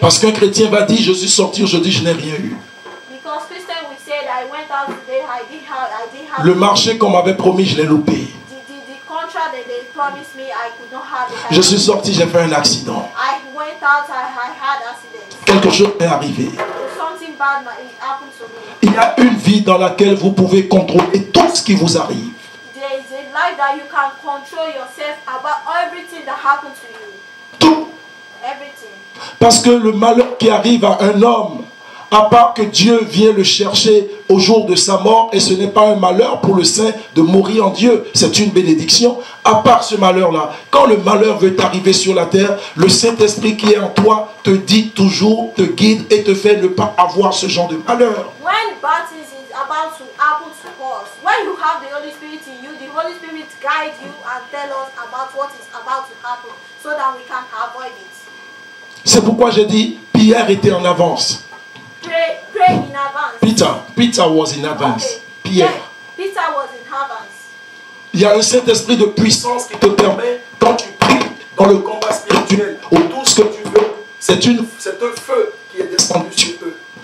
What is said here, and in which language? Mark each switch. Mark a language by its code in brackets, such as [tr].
[fr] Parce qu'un chrétien va dire, je suis sorti aujourd'hui, je n'ai rien eu. [en] Because Christian we said I went out today, I didn't have. [fr] Le marché qu'on m'avait promis, je l'ai loupé. [en] The contract that they promised me, I could not have it. [fr] Je suis sorti, j'ai fait un accident. [en] I went out, I had accident. [fr] Quelque chose est arrivé. [en] Something bad happened to me. [fr] Il y a une vie dans laquelle vous pouvez contrôler tout ce qui vous arrive. [en] That you can control yourself about everything that happened to you. [fr] Tout. [en] Everything. [fr] Parce que le malheur qui arrive à un homme, à part que Dieu vient le chercher au jour de sa mort, et ce n'est pas un malheur pour le saint de mourir en Dieu, c'est une bénédiction. À part ce malheur-là, quand le malheur veut arriver sur la terre, le Saint-Esprit qui est en toi te dit toujours, te guide et te fait ne pas avoir ce genre de malheur. [en] When bad things is about to happen to us, when you have the Holy Spirit in you, the Holy Spirit guide you and tell us about what is about to happen so that we can avoid it. [fr] C'est pourquoi j'ai dit, Pierre était en avance. [en] Pray in advance. Peter was in advance. Okay. Pierre. Yeah, Peter was in advance. [fr] Il y a un Saint-Esprit de puissance qui te permet, quand tu pries dans le combat spirituel, ou tout ce que tu veux, c'est un feu qui est descendu sur eux.